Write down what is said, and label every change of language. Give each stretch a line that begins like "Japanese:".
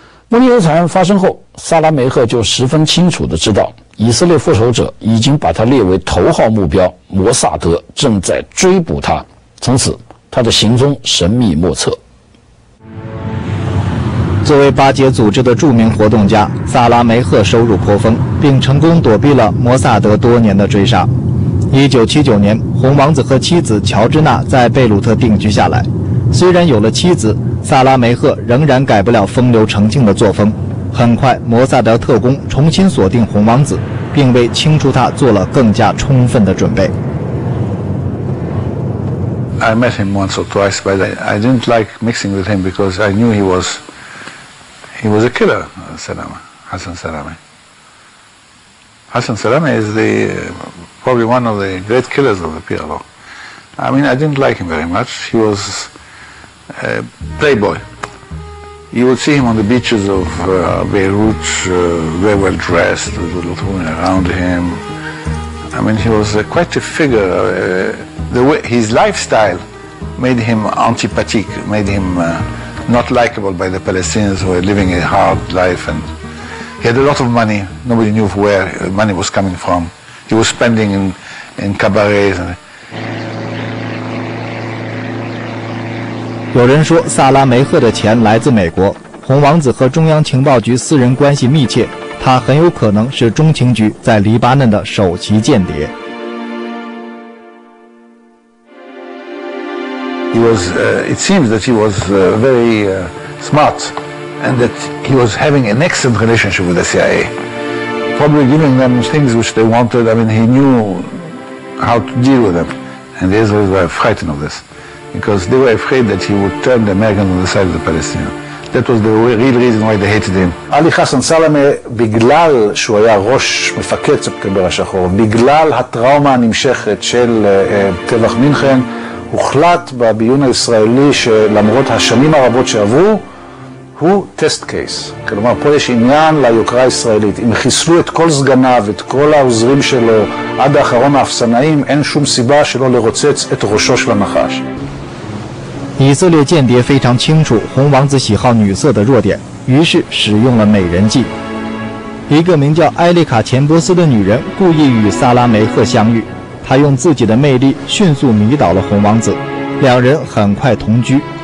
Chinese: 莫尼尔惨案发生后，萨拉梅赫就十分清楚地知道，以色列复仇者已经把他列为头号目标，摩萨德正在追捕他。从此，他的行踪神秘莫测。作为巴结组织的著名活动家，萨拉梅赫收入颇丰，并成功躲避了摩萨德多年的追杀。1979年，红王子和妻子乔治娜在贝鲁特定居下来。虽然有了妻子，萨拉梅赫仍然改不了风流成性的作风。很快，摩萨德特工重新锁定红王子，并为清除他做了更加充分的准备。
English: I met him once or twice, but I didn't like mixing with him because I knew he was a killer, Hassan Salami. Hassan Salami is probably one of the great killers of the PLO. I mean, I didn't like him very much. He was a playboy. You would see him on the beaches of Beirut, very well dressed, with a lot of women around him. I mean, he was quite a figure. His lifestyle made him antipathique, made him not likable by the Palestinians who were living a hard life. And he had a lot of money. Nobody knew where money was coming from. He was spending in cabarets.
Chinese: 有人说萨拉梅赫的钱来自美国，红王子和中央情报局私人关系密切，他很有可能是中情局在黎巴嫩的首席间谍。
English: He was, it seems that he was very smart and that he was having an excellent relationship with the CIA, probably giving them things which they wanted. I mean, he knew how to deal with them. And the Israelis were frightened of this because they were afraid that he would turn the Americans on the side of the Palestinians. That was the real reason why they hated him.
Hebrew: Ali Hassan Salameh, בגלל שהוא היה ראש מפקד ספטמבר השחור, בגלל הטראומה הנמשכת של טבח מינכן, הוחלט בביון הישראלי שלמרות השנים הרבות שעברו, הוא טסט קייס. כלומר, פה יש עניין ליוקרה הישראלית. אם חיסלו את כל סגניו, את כל העוזרים שלו, עד האחרון האפסנאים, אין שום סיבה שלא לרוצץ את ראשו של הנחש.
Chinese: 以色列间谍非常清楚红王子喜好女色的弱点，于是使用了美人计。一个名叫埃利卡·钱伯斯的女人故意与萨拉梅赫相遇，他用自己的魅力迅速迷倒了红王子，两人很快同居。